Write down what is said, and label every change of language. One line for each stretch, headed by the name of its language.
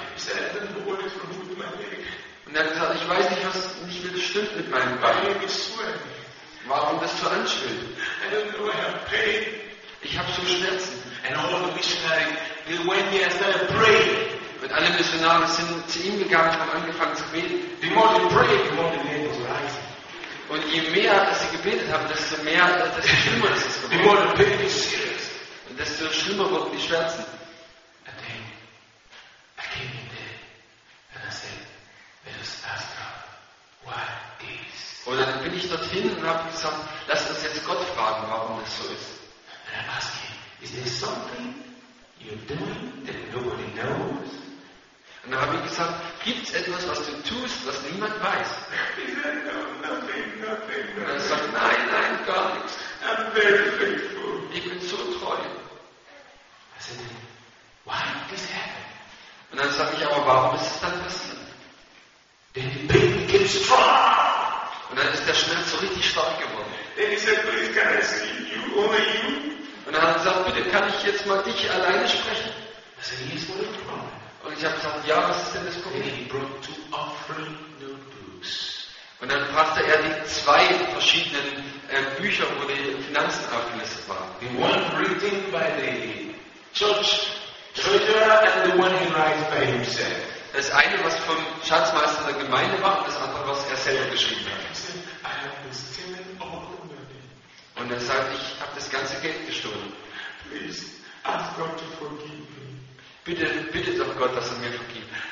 English: He said, I don't know what is wrong with my leg.
German: Und er hat gesagt, ich weiß nicht, was nicht mit stimmt mit meinem Bein. Warum das so anschwillt?
English: I don't know, I have pain.
German: Ich habe so Schmerzen.
English: And all the missionaries, they went there and started praying.
German: Und alle Missionare sind zu ihm gegangen und haben angefangen zu beten.
English: The more they prayed, the more the leg was rising.
German: Und je mehr sie gebetet haben, desto mehr, desto schlimmer ist es geworden. Und desto schlimmer wurden die Schmerzen.
English: And then I came in there and I said, let us ask God, why this?
German: Und dann bin ich dorthin und habe gesagt, lass uns jetzt Gott fragen, warum das so ist.
English: And I asked him, is there something you're doing that nobody knows?
German: Und dann habe ich gesagt, gibt es etwas, was du tust, was niemand weiß?
English: He said, no, nothing.
German: Und er sagt, nein, gar nichts.
English: I'm very faithful.
German: Ich bin so treu.
English: I said, why did this happen?
German: Und dann sage ich, aber warum ist es dann passiert?
English: Then the pain became strong.
German: Und dann ist der Schmerz so richtig stark geworden.
English: Then he said, please, can I see you, only you?
German: Und dann hat er gesagt, bitte, kann ich jetzt mal dich alleine sprechen?
English: I said, he's one of the problem.
German: Und ich habe gesagt, ja, was ist denn das Problem?
English: He brought 2 offering notebooks.
German: Und dann brachte er die 2 verschiedenen Bücher, wo die Finanzen aufgelistet waren.
English: The one written by the church treasurer and the one he writes by himself.
German: Das eine, was vom Schatzmeister der Gemeinde war, das andere, was er selber geschrieben hat.
English: I have stolen all the money.
German: Und er sagt, ich habe das ganze Geld gestohlen.
English: Please ask God to forgive me.
German: Bitte doch Gott, dass er mir vergibt.